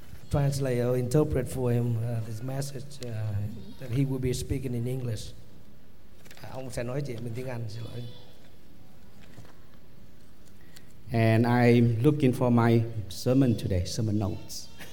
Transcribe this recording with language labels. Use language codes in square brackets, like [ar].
[en] translate or interpret for him this message that he will be speaking in English. [vi] Ông sẽ nói chuyện bằng tiếng Anh, xin lỗi. [en] And I'm looking for my sermon today, sermon notes.